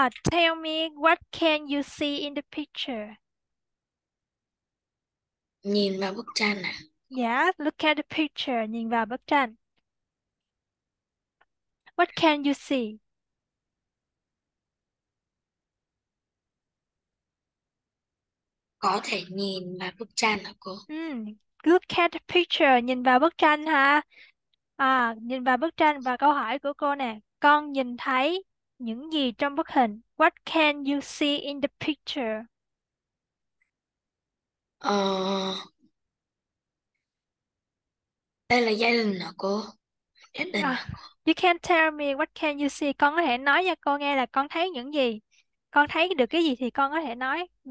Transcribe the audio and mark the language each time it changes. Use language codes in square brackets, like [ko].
[en] Tell me what can you see in the picture? [vi] Nhìn vào bức tranh à? [en] Yeah, look at the picture, [vi] nhìn vào bức tranh. [en] What can you see? [vi] Có thể nhìn vào bức tranh hả cô? [en] Look at the picture, [vi] nhìn vào bức tranh ha. Nhìn vào bức tranh và câu hỏi của cô nè. Con nhìn thấy những gì trong bức hình? [en] What can you see in the picture? [vi] Đây là gia đình hả cô? Gia đình hả cô? [en] You can tell me what can you see. [vi] Con có thể nói cho cô nghe là con thấy những gì. Con thấy được cái gì thì con có thể nói.